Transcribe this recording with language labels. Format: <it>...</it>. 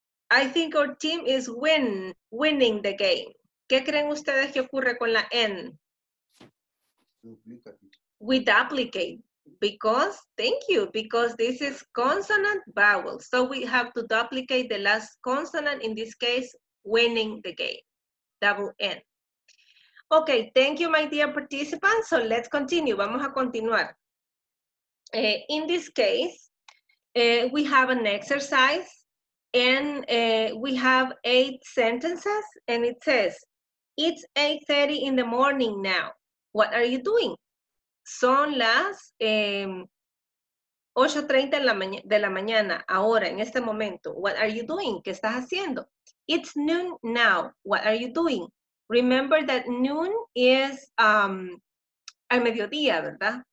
<en>I think our team is winning the game.</en> <es>¿Qué creen ustedes que ocurre con la N?</es> <en>We duplicate because this is consonant vowel, so we have to duplicate the last consonant, in this case winning the game, double N. Okay, thank you my dear participants. So let's continue,</en> <es>vamos a continuar.</es> <en>In this case, we have an exercise and we have 8 sentences and it says, it's 8:30 in the morning now. What are you doing?</en> <es>Son las 8:30 de la mañana, ahora, en este momento.</es> <en>What are you doing?</en> <es>¿Qué estás haciendo?</es> <en>It's noon now. What are you doing? Remember that noon is</en> <es>al mediodía, ¿verdad?</es>